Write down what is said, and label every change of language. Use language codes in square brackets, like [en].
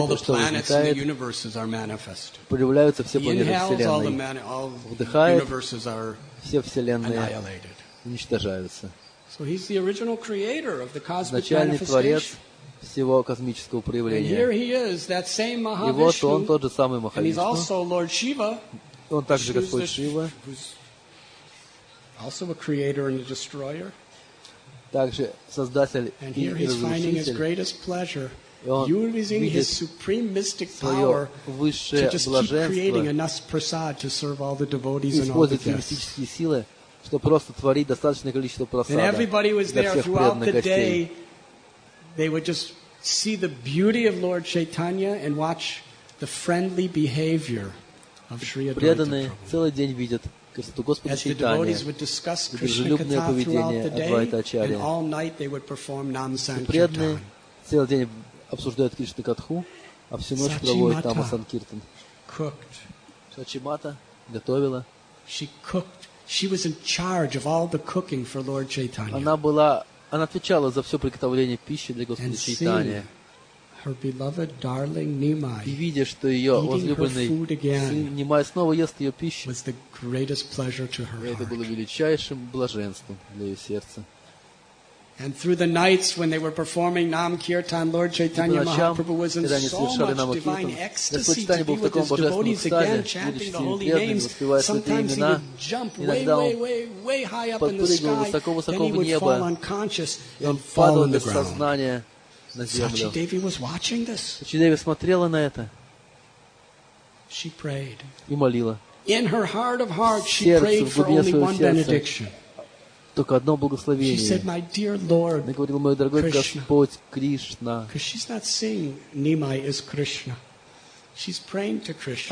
[en] all the planets and the universes are manifest. [ru] Проявляются все планеты вселенной. Выдыхает, [en] universes are [ru] все вселенные [en] annihilated. [ru] Уничтожаются. [en] So he's the original creator of the cosmic [ru] изначальный творец всего космического проявления. [en] And here he is, that same Mahavishnu. [ru] И вот он тот же самый Махавишну. [en] And he's also Lord Shiva. [ru] Он также Господь Шива. [en] Also a creator and a destroyer. [ru] Также создатель и разрушитель. [en] And here he's finding his greatest pleasure, using his supreme mystic power to just keep creating enough prasad to serve all the devotees and all the guests. [ru] Что просто творить достаточное количество просада. [en] And everybody was there throughout the day. They would just see the beauty of Lord Chaitanya and watch the friendly behavior of Sri Adwaita. [ru] Преданные целый день видят красоту Господа Чайтанья, дружелюбное поведение Адвайта Ачарья. Преданные целый день обсуждают Кришна Катху, а всю ночь проводят Тама Санкиртан. Сачимата готовила. [en] She was in charge of all the cooking for Lord Chaitanya. [ru] Она отвечала за все приготовление пищи для Господа Чайтанья. [en] Her beloved darling Nimai. [ru] И видя, что ее возлюбленный Нимай снова ест ее пищу, [en] was the greatest pleasure to her heart. [ru] Это было величайшим блаженством для ее сердца. [en] And through the nights when they were performing Nam Kirtan, Lord Chaitanya Mahaprabhu was in so much divine ecstasy to be with his devotees again, chanting the holy names. Sometimes he would jump way, way, way, way high up in the sky. Then he would fall unconscious and fall on the ground. Сачидеви was watching this. [ru] Сачидеви смотрела на это. [en] She prayed. [ru] И молила. [en] In her heart of hearts, she prayed for only one benediction. [ru] Только одно благословение. [en] She said, my dear Lord, [ru] она говорила, мой дорогой Господь Кришна. [en] Because she's not seeing Nimai is Krishna. She's praying to Krishna.